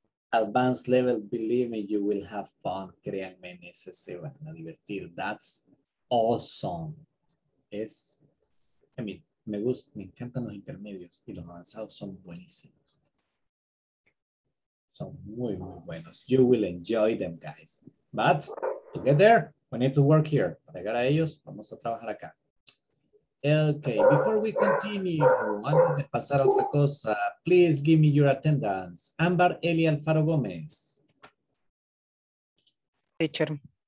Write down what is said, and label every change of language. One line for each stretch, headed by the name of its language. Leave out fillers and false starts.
English: Advanced level, believe me, you will have fun.
Spanish: Créanme, en ese se van a divertir.
English: That's awesome.
Spanish: Es,
English: I mean,
Spanish: me gusta, me encantan los intermedios y los avanzados son buenísimos. Son muy, muy buenos.
English: You will enjoy them, guys. But to get there, we need to work here.
Spanish: Para llegar a ellos, vamos a trabajar acá.
English: Okay, before we continue,
Spanish: antes de pasar a otra cosa,
English: please give me your attendance.
Spanish: Ámbar Eli Alfaro Gómez.
English: Teacher.